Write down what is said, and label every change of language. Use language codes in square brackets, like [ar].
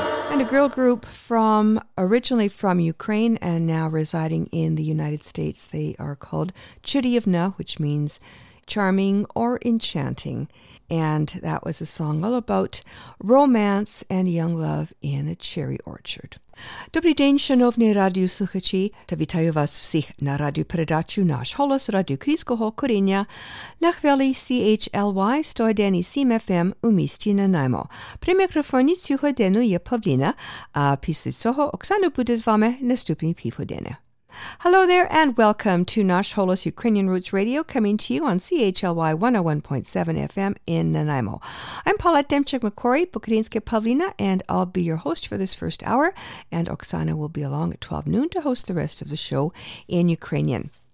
[en] And a girl group from originally from Ukraine and now residing in the United States. They are called Chudyevna, which means charming or enchanting. And that was a song all about romance and young love in a cherry orchard. [uk] Добрий день, шановні радіослухачі, та вітаю вас всіх на радіопередачу «Наш голос» радіокрізького коріння на хвилі CHLY 101 FM у місті Нанаймо. При мікрофоні цю годину є Павліна, а після цього Оксана буде з вами наступні півгодини. [en] Hello there and welcome to Nash Holos Ukrainian Roots Radio coming to you on CHLY 101.7 FM in Nanaimo. I'm Paulette Demchuk-McCory, Bukharinska Pavlina, and I'll be your host for this first hour, and Oksana will be along at 12 noon to host the rest of the show in Ukrainian.